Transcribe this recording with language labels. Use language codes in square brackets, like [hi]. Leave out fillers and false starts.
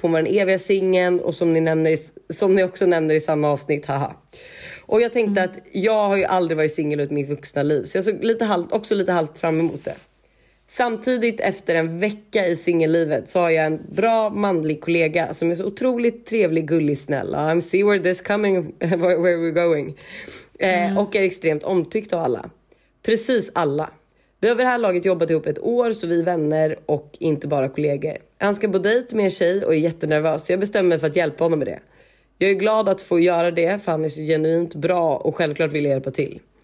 [sv] Hon var den eviga singeln, och som ni också nämner i samma avsnitt, haha. Och jag tänkte att jag har ju aldrig varit singel ut mitt vuxna liv. Så jag såg lite halvt, också lite halvt fram emot det. Samtidigt efter en vecka i singellivet så har jag en bra manlig kollega som är så otroligt trevlig, gullig, snäll. [en] I'm see where this coming, where we're going. [sv] Och är extremt omtyckt av alla. Precis alla. Vi har vid det här laget jobbat ihop ett år, så vi är vänner och inte bara kollegor. Han ska på dejt med en tjej och är jättenervös, så jag bestämmer mig för att hjälpa honom med det. Jag är glad att få göra det, för han är så genuint bra och självklart vill jag hjälpa till.